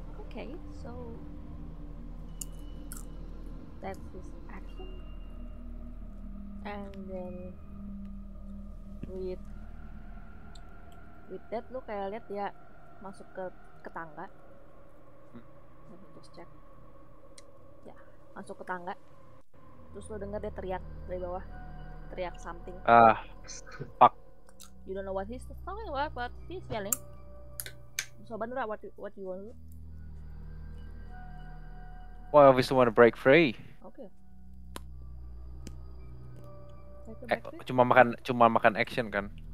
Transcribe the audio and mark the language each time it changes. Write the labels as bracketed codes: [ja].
[en] Okay, so that's his action, and then with that [id] lo kayak lihat dia masuk ke tangga. [en] Just check. [id] Ya, masuk ke tangga. Terus lo dengar dia teriak dari bawah. Teriak [en] something. Fuck. You don't know what he's talking about, but he's yelling. So Bandura, what you want to do? Well, I obviously want to break free. Okay. [id] Cuma makan action kan?